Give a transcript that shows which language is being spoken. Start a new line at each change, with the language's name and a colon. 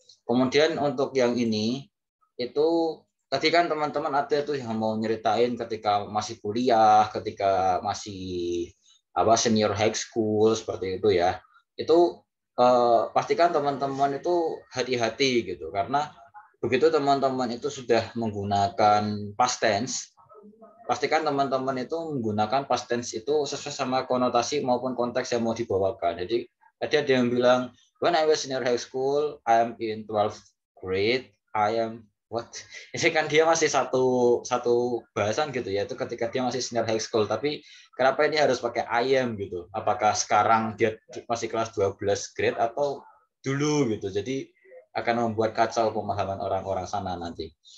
Indonesian: Kemudian untuk yang ini itu tadi kan teman-teman ada tuh yang mau nyeritain ketika masih kuliah, ketika masih apa senior high school seperti itu ya. Itu pastikan teman-teman itu hati-hati gitu, karena begitu teman-teman itu sudah menggunakan past tense, pastikan teman-teman itu menggunakan past tense itu sesuai sama konotasi maupun konteks yang mau dibawakan. Jadi tadi ada yang bilang
English: when I was senior high school, I am in 12th grade, I am what?
Indonesian: Ini kan dia masih satu bahasan gitu ya, itu ketika dia masih senior high school. Tapi kenapa ini harus pakai
English: I am
Indonesian: gitu? Apakah sekarang dia masih kelas 12 grade atau dulu gitu? Jadi akan membuat kacau pemahaman orang-orang sana nanti.